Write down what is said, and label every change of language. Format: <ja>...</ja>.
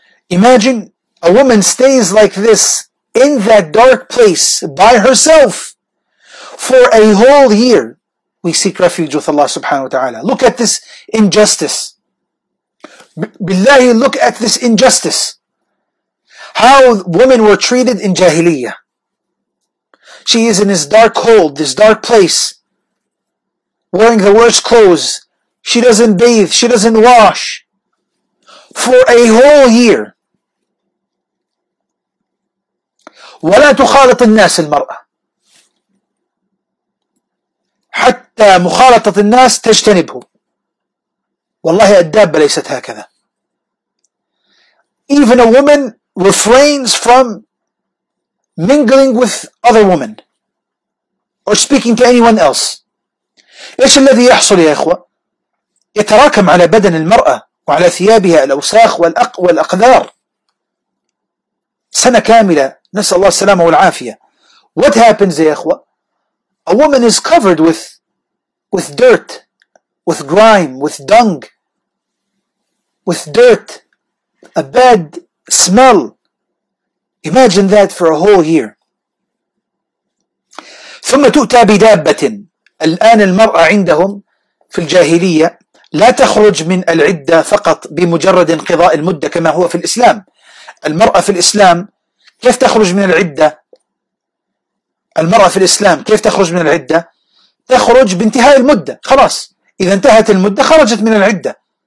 <en>Imagine a woman stays like this in that dark place by herself for a whole year. We seek refuge with Allah subhanahu wa ta'ala. Look at this injustice. Billahi, look at this injustice. How women were treated in Jahiliyyah. She is in this dark hole, this dark place, wearing the worst clothes. She doesn't bathe, she doesn't wash for a whole year.</en> <ar>ولا تخالط الناس المرأة حتى مخالطة الناس تجتنبه. والله الدابة ليست هكذا.</ar> <en>Even a woman refrains from mingling with other women or speaking to anyone else.</en> <ar>إيش الذي يحصل يا إخوة؟ يتراكم على بدن المرأة وعلى ثيابها الأوساخ والأقذار سنة كاملة، نسأل الله السلامة والعافية.</ar> <en>What happens</en> <ar>يا إخوة؟</ar> <en>A woman is covered with dirt, with grime, with dung, with dirt, a bad smell. Imagine that for a whole year.</en> <ar>ثم تؤتى بدابة. الآن المرأة عندهم في الجاهلية لا تخرج من العدة فقط بمجرد انقضاء المدة كما هو في الإسلام. المرأة في الإسلام كيف تخرج من العدة؟ المرأة في الإسلام كيف تخرج من العدة؟ تخرج بانتهاء المدة، خلاص إذا انتهت المدة خرجت من العدة.</ar>